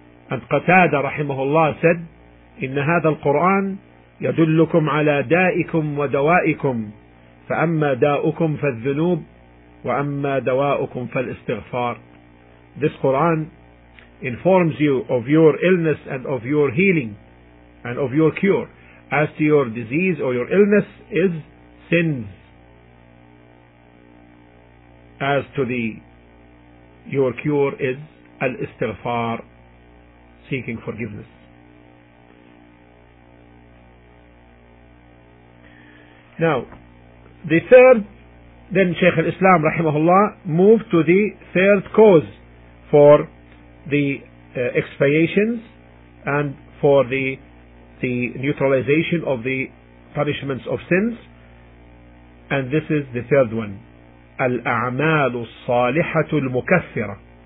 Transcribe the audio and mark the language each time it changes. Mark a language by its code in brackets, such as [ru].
[en] And Qatada rahimahullah said, [ar] إن هذا القرآن يدلكم على دائكم ودوائكم فأما داؤكم فالذنوب وأما دواؤكم فالاستغفار. [en] This Quran informs you of your illness and of your healing and of your cure. As to your disease or your illness is sins. As to the your cure is al-istighfar, seeking forgiveness. Now, the third, then Shaykh al-Islam rahimahullah moved to the third cause for the expiations and for the neutralization of the punishments of sins, and this is the third one. [ar] الأعمال الصالحة المكفرة.